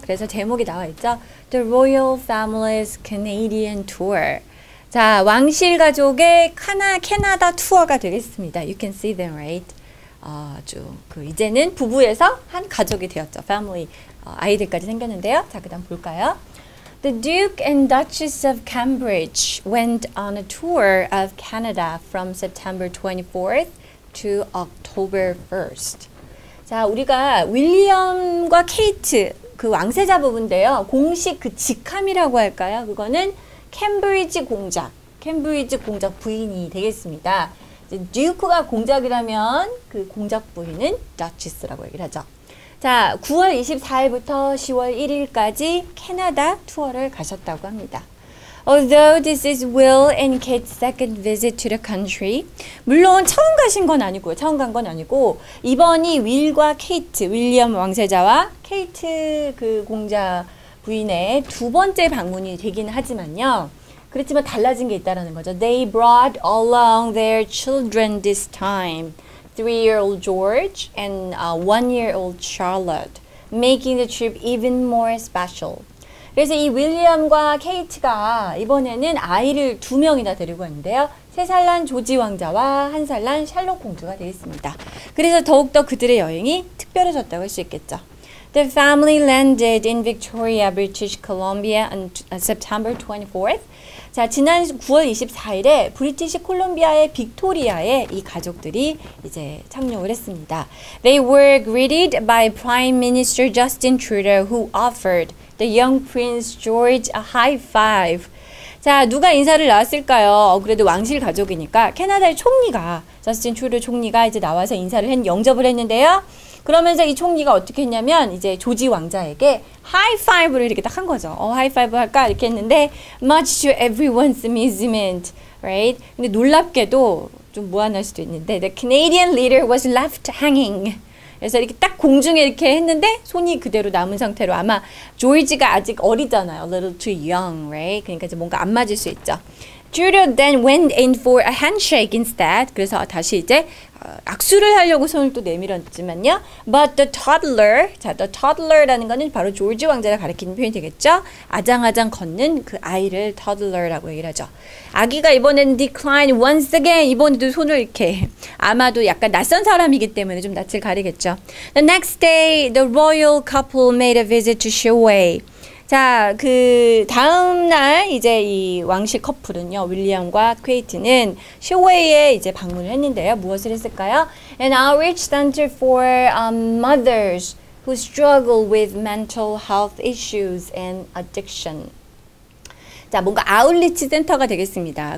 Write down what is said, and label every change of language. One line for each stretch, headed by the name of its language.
Korean: 그래서 제목이 나와 있죠.
English: The Royal Family's Canadian Tour.
Korean: 자, 왕실 가족의 캐나다 투어가 되겠습니다.
English: You can see them, right?
Korean: 이제는 부부에서 한 가족이 되었죠. Family, 아이들까지 생겼는데요. 자, 그 다음 볼까요?
English: The Duke and Duchess of Cambridge went on a tour of Canada from September 24th to October 1st.
Korean: 자, 우리가 윌리엄과 케이트, 그 왕세자 부부인데요. 공식 그 직함이라고 할까요? 그거는 캠브리지 공작 부인이 되겠습니다. 이제 듀크가 공작이라면 그 공작 부인은 Duchess라고 얘기를 하죠. 자, 9월 24일부터 10월 1일까지 캐나다 투어를 가셨다고 합니다.
English: Although this is Will and Kate's second visit to the country,
Korean: 물론 처음 간 건 아니고 이번이 윌과 케이트, 윌리엄 왕세자와 케이트 그 공작 부인의 두 번째 방문이 되긴 하지만요. 그렇지만 달라진 게 있다라는 거죠.
English: They brought along their children this time. 3-year-old George and 1-year-old Charlotte, making the trip even more special.
Korean: 그래서 이 윌리엄과 케이트가 이번에는 아이를 두 명이나 데리고 왔는데요. 세 살 난 조지 왕자와 한 살 난 샬롯 공주가 되겠습니다. 그래서 더욱더 그들의 여행이 특별해졌다고 할 수 있겠죠.
English: The family landed in Victoria, British Columbia on September 24th.
Korean: 자, 지난 9월 24일에 브리티시 콜롬비아의 빅토리아에 이 가족들이 이제 착륙을 했습니다.
English: They were greeted by Prime Minister Justin Trudeau, who offered the young Prince George a high five.
Korean: 자, 누가 인사를 나왔을까요? 그래도 왕실 가족이니까 캐나다의 총리가, 저스틴 트루도 총리가 이제 나와서 영접을 했는데요. 그러면서 이 총리가 어떻게 했냐면 이제 조지 왕자에게 하이파이브를 이렇게 딱 한 거죠. 하이파이브 할까? 이렇게 했는데
English: much to everyone's amazement, right?
Korean: 근데 놀랍게도 좀 무안할 수도 있는데
English: the Canadian leader was left hanging.
Korean: 그래서 이렇게 딱 공중에 이렇게 했는데 손이 그대로 남은 상태로 아마 조지가 아직 어리잖아요.
English: A little too young, right?
Korean: 그러니까 이제 뭔가 안 맞을 수 있죠.
English: Trudeau then went in for a handshake instead.
Korean: 그래서 다시 이제 악수를 하려고 손을 또 내밀었지만요.
English: But the toddler,
Korean: 자, the toddler라는 거는 바로 조지 왕자를 가리키는 표현이 되겠죠. 아장아장 걷는 그 아이를 toddler라고 얘기를 하죠. 아기가 이번에는
English: decline once again.
Korean: 이번에도 손을 이렇게 아마도 약간 낯선 사람이기 때문에 좀 낯을 가리겠죠.
English: The next day, the royal couple made a visit to Shuwei.
Korean: 자, 그 다음 날 이제 이 왕실 커플은요, 윌리엄과 케이트는 쇼웨이에 이제 방문을 했는데요. 무엇을 했을까요?
English: An outreach center for mothers who struggle with mental health issues and addiction.
Korean: 자, 뭔가 아웃리치 센터가 되겠습니다.